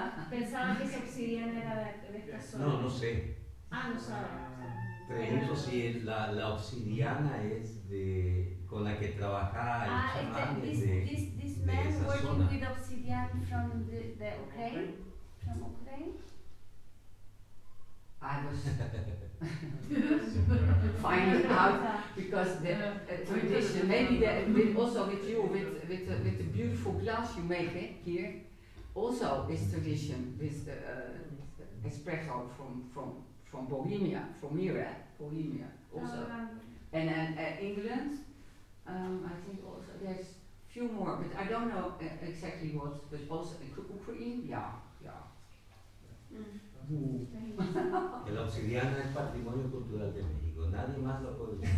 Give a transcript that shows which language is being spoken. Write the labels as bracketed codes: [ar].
[es] Pensaba que esa obsidiana era de esta zona. No, no sé. Ah, no sabe. Pregunto si es la obsidiana es de con la que trabaja el chamán de esa zona. [en] This man working with obsidian from the Ukraine? From Ukraine? I was finding out because the tradition, maybe the, with also with you, with the beautiful glass you make here, also is tradition with the espresso from Bohemia, from Mira, Bohemia also. And England, I think also, there's few more, but I don't know exactly what, but also in Ukraine, yeah, yeah. Mm. [es] El obsidiana es patrimonio cultural de México, nadie más lo puede decir.